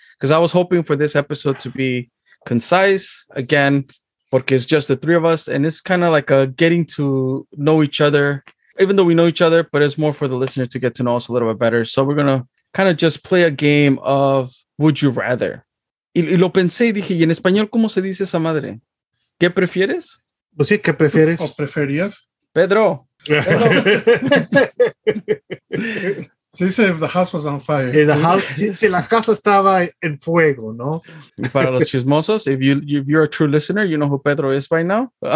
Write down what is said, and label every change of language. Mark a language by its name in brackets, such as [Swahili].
[English] Because I was hoping for this episode to be concise again, porque it's just the three of us, and it's kind of like a getting to know each other, even though we know each other, but it's more for the listener to get to know us a little bit better. So we're gonna kind of just play a game of would you rather. [Spanish] Y lo pensé y dije, ¿y en español cómo se dice esa madre? ¿Qué prefieres? Pues sí, ¿qué prefieres? ¿O preferías? Pedro. [English] Se dice if the house was on fire. [Spanish] Si la casa estaba en fuego, ¿no? [English] Y para los chismosos, if you're a true listener, you know who Pedro is by now.